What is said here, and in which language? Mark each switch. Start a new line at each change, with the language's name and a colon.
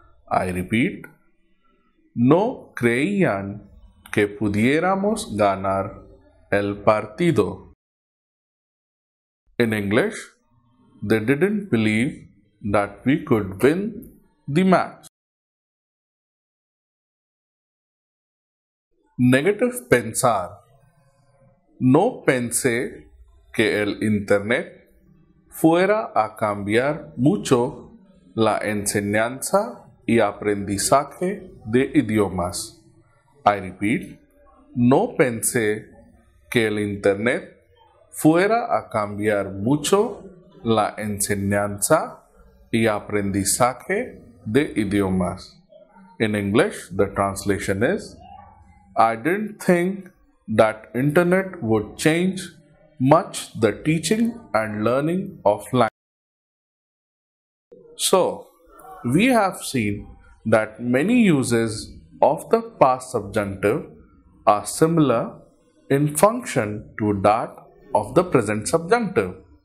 English: I repeat,
Spanish: no creían que pudiéramos ganar el partido.
English: In English, they didn't believe that we could win the match. Negative pensar.
Spanish: No pensé que el internet fuera a cambiar mucho la enseñanza y aprendizaje de idiomas.
English: I repeat,
Spanish: no pensé que el internet fuera a cambiar mucho la enseñanza y aprendizaje de idiomas.
English: In English, the translation is, I didn't think that internet would change much the teaching and learning of language. So, we have seen that many uses of the past subjunctive are similar in function to that of the present subjunctive.